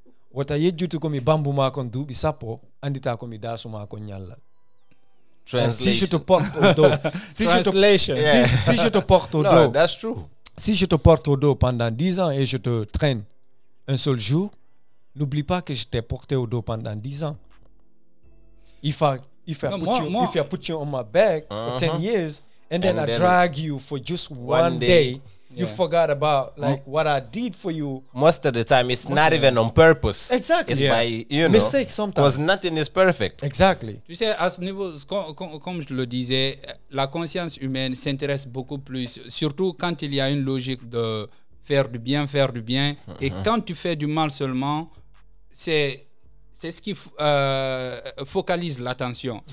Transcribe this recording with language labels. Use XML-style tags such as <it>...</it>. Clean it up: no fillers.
<en>Wata yedjutu komi bambu ma kon dubisapo. Andita komi dasu ma kon nyalal. Translation.</en> <fr>Si je te porte au dos.</fr> <en>Translation.</en> <fr>Si je te porte au dos.</fr> <en>No, that's true.</en> <fr>Si je te porte au dos pendant 10 ans et je te traîne un seul jour, n'oublie pas que je t'ai porté au dos pendant 10 ans.</fr> <en>If I put you on my back for 10 years and then I drag you for just one day, you forgot about what I did for you. Most of the time, it's not even on purpose. Exactly. It's by, mistake sometimes. Because nothing is perfect. Exactly.</en> <fr>Tu sais, à ce niveau, comme je le disais, la conscience humaine s'intéresse beaucoup plus, surtout quand il y a une logique de faire du bien, et quand tu fais du mal seulement, c'est ce qui focalise l'attention.</fr>